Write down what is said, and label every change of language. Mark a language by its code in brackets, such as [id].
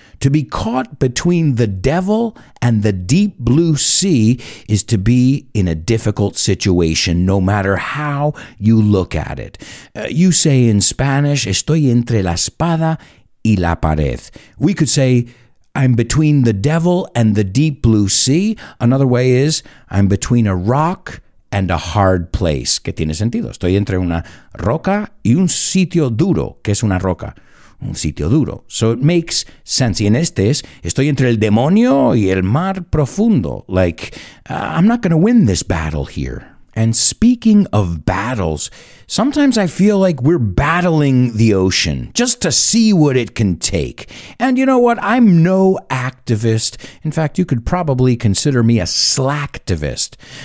[en] To be caught between the devil and the deep blue sea is to be in a difficult situation, no matter how you look at it. You say in Spanish, [es] estoy entre la espada y la pared. [en] We could say, I'm between the devil and the deep blue sea. Another way is, I'm between a rock and a hard place. [es] ¿Qué tiene sentido? Estoy entre una roca y un sitio duro. ¿Qué es una roca? Un sitio duro. [en] So it makes sense. [es] Y en este es, estoy entre el demonio y el mar profundo. [en] Like, I'm not going to win this battle here. And speaking of battles, sometimes I feel like we're battling the ocean just to see what it can take. And you know what? I'm no activist. In fact, you could probably consider me a slacktivist.